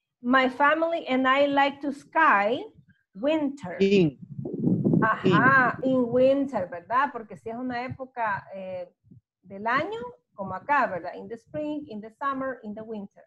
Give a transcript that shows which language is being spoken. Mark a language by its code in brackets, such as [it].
[en] My family and I like to sky winter. In. [es] Ajá, [en] in winter, [es] ¿verdad? Porque si es una época del año, como acá, ¿verdad? [en] In the spring, in the summer, in the winter.